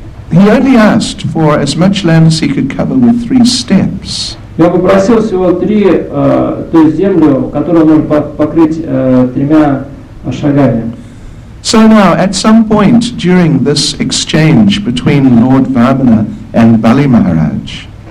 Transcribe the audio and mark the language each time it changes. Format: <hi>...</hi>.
<en>He only asked for as much land as he could cover with three steps.</en> <ru>Я попросил всего три, то есть землю, которую он может покрыть тремя шагами.</ru> <en>So now, at some point during this exchange between Lord Vamana and Bali Maharaj,</en>